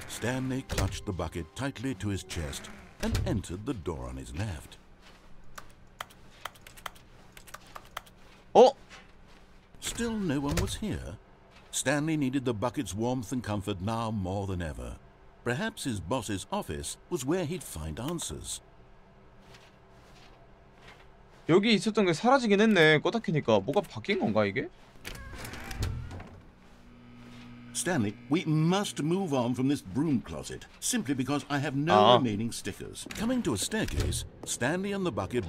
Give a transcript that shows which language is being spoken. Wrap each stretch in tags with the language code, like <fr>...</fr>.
<en>Stanley clutched the bucket tightly to his chest and entered the door on his left.</en> <ko>오.</ko> <en>Still, no one was here. Stanley needed the bucket's warmth and comfort now more than ever. Perhaps his boss's office was where he'd find answers.</en> <ko>여기 있었던 게 사라지긴 했네. 껐다 켜니까 뭐가 바뀐 건가 이게?</ko> <en>Stanley, we must move on from this broom closet simply because I have no 아. remaining stickers. Coming to a staircase, Stanley and the bucket</en>